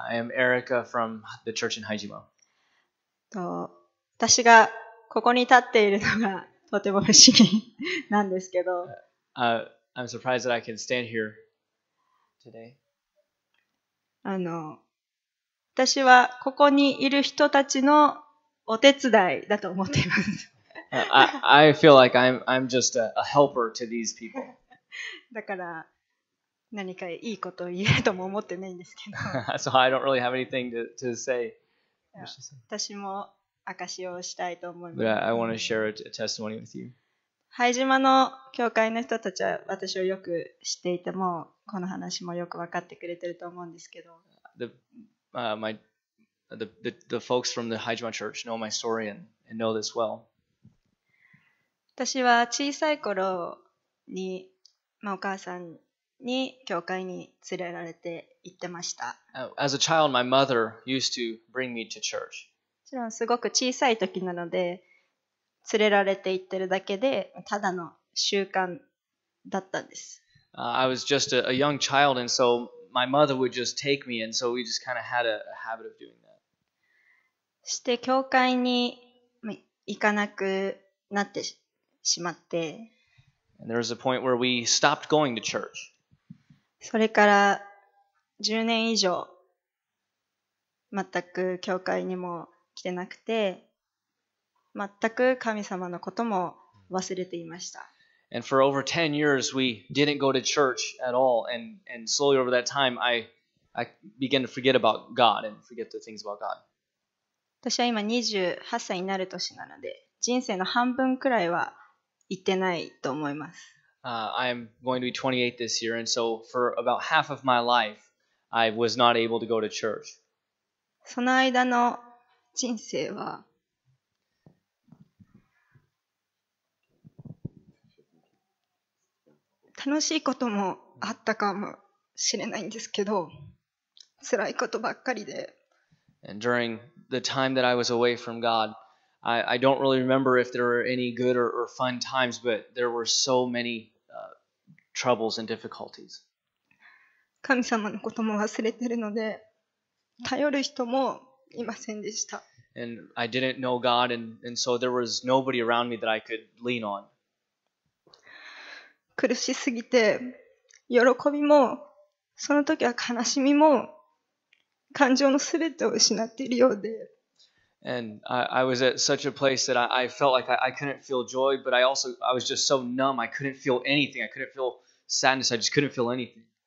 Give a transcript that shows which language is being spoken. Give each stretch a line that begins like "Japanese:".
English: I am Erica from the church in Haijima.
Japanese: 私がここに立っているのがとても不思議なんですけど。
English: I'm surprised that I can stand here today.
Japanese: あの、私はここにいる人たちのお手伝いだと思っています。
English: I feel like I'm just a helper to these people.
Japanese: だから、何かいいことを言えるとも思ってないんですけど。
English: So I don't really have anything to say.
Japanese: 私も証をしたいと思います。
English: But I want to share a testimony with you.
Japanese: ハイジマの教会の人たちは私をよく知っていてもこの話もよく分かってくれてると思うんですけど
English: the folks from the Haijima church know my story and know this well.
Japanese: 私は小さい頃に、まあ、お母さんに教会に連れられて行ってました。
English: As a child, my mother used to bring me to church.
Japanese: もちろんすごく小さい時なので連れられて行ってるだけで、ただの習慣だったんです。
English: I was just a young child, and so my mother would just take me, and so we just kind of had a habit of doing that.
Japanese: して教会に行かなくなってしまって、
English: and there was a point where we stopped going to church.
Japanese: それから10年以上全く教会にも来てなくて。全く神様のことも忘れていました。
English: And for over 10 years, we didn't go to church at all. And slowly over that time, I began to forget about God and forget the things about God.
Japanese: 私は今28歳になる年なので、人生の半分くらいは行ってないと思います。
English: I am going to be 28 this year, and so for about half of my life, I was not able to go to church.
Japanese: その間の人生は、楽しいこともあったかもしれないんですけど、辛いことばっかりで。
English: And during the time that I was away from God, I don't really remember if there were any good or fun times, but there were so many troubles and difficulties.
Japanese: 神様のことも忘れてるので、頼る人もいませんでした。
English: And I didn't know God, and so there was nobody around me that I could lean on.
Japanese: 苦しすぎて、喜びも、その時は悲しみも、感情のすべてを失っているようで。
English: And I was at such a place that I felt like I couldn't feel joy, but I was just so numb, I couldn't feel anything, I couldn't feel sadness, I just couldn't feel anything.